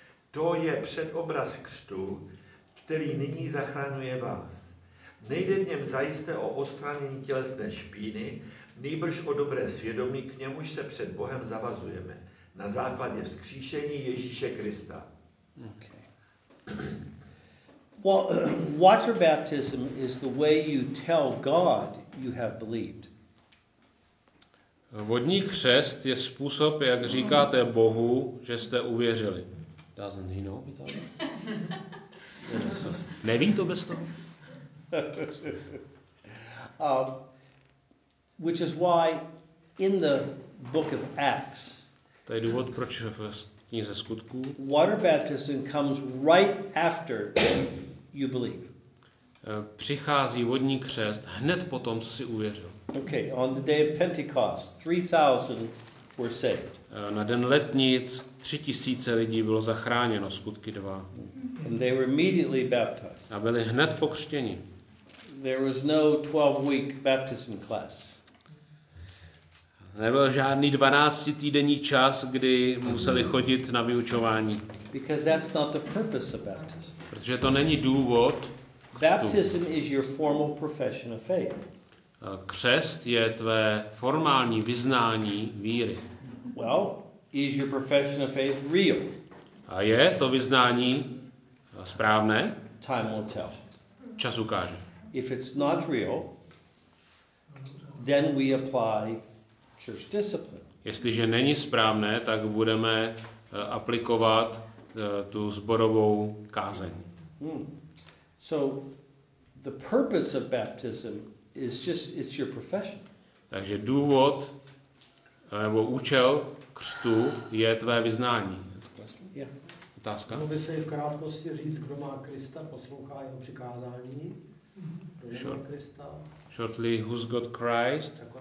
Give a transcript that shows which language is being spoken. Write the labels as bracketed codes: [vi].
[cs] To je předobraz křtu, který nyní zachraňuje vás. Nejde v něm zajisté o odstranění tělesné špíny, nýbrž o dobré svědomí, k němuž se před Bohem zavazujeme. Na základě vzkříšení Ježíše Krista. Okay. [en] Well, water baptism is the way you tell God you have believed. [cs] Vodní křest je způsob, jak říkáte Bohu, že jste uvěřili. [en] Doesn't he know about it? [cs] Neví to bez toho? [en] Which is why in the book of Acts. [cs] To je důvod, proč v knize skutků. [en] Water baptism comes right after you believe. [cs] Přichází vodní křest hned po tom, co si uvěřil. [en] Okay, on the day of Pentecost, 3000 were saved. [cs] Na den letnic 3000 lidí bylo zachráněno, skutky 2. [en] And they were immediately baptized. [cs] A byli hned pokřtěni. [en] There was no 12-week baptism class. [cs] Nebyl žádný 12-týdenní čas, kdy museli chodit na vyučování. [en] Because that's not the purpose of baptism. [cs] Protože to není důvod. [en] Baptism is your formal profession of faith. [cs] Křest je tvé formální vyznání víry. [en] Well, is your profession of faith real? [cs] A je to vyznání správné? [en] Time will tell. [cs] Čas ukáže. [en] If it's not real, then we apply church discipline. [cs] Jestliže není správné, tak budeme aplikovat tu zborovou kázeň. [en] So the purpose of baptism is just it's your profession. [cs] Takže důvod nebo účel křtu je tvé vyznání. Yeah. Otázka. Mohl by se v krátkosti říct, kdo má Krista, poslouchá jeho přikázání? [en] Shortly, who's got Christ?